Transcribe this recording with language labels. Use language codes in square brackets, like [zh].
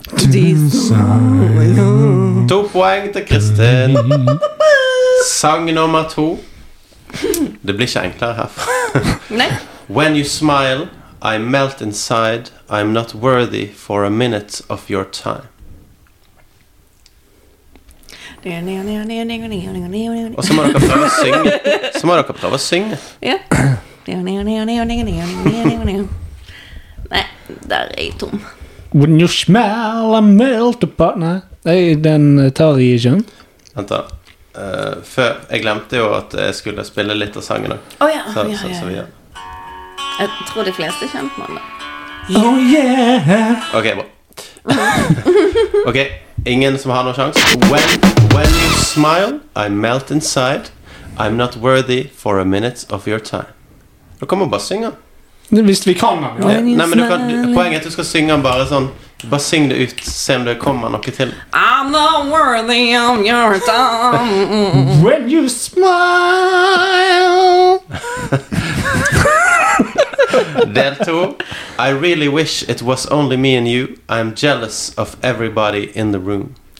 [en] desire. [no] 2 poeng til Kristin. Sang nummer 2. Det blir ikke enklere her. Nei. [en] When you smile, I melt inside. I'm not worthy for a minute of your time. [no] Og så må dere prøve å synge. Så må dere prøve å synge. Ja. Nei, der jeg tom. [en] When you smell a melt apart. [no] Nei, den tar jeg ikke. Vent da. Før, jeg glemte jo at jeg skulle spille litt av sangen. Så vi gjør. Jeg tror de fleste kjente man det. [en] Oh yeah. [no] Ok, bra. Ok, ingen som har noen sjans. [en] When you smile, I melt inside. I'm not worthy for a minute of your time. [no] Nå kommer bare synge. Hvis vi kan den, ja. Nei, men poenget er at du skal synge bare sånn. Bare syng det ut, se om det kommer noe til. [en] I'm not worthy of your time. When you smile. [no] Del 2. [en] I really wish it was only me and you. I'm jealous of everybody in the room.